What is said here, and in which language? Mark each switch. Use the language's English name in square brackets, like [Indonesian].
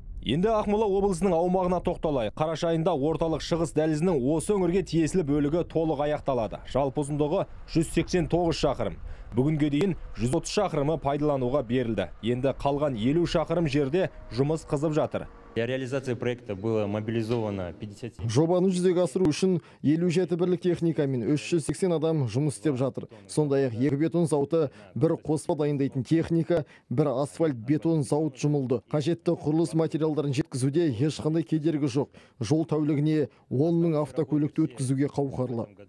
[Kazakh] Енді Ақмола облысының аумағына тоқталай. Қараша айында орталық шығыс дәлізінің осы өңірге тиесілі бөлігі толық аяқталады. Жалпы ұзындығы 189 шақырым. Бүгінге дейін 130 шақырымы пайдалануға берілді. Енді қалған 50 шақырым жерде жұмыс қызып жатыр. [Russian] Для реализации проекта было мобилизовано 57. [Kazakh] Жобаны жүзеге асыру үшін 57 бірлік техника мен 380 адам жұмыс істеп жатыр. Сондай-ақ екі бетон зауыты, бір қоспа дайындайтын техника, бір асфальт бетон зауыт жұмылды. Қажетті құрылыс материалдарын жеткізуде ешқандай кедергі жоқ. Жол тәулігіне 10 мың автокөлікті өткізуге қауқарлы.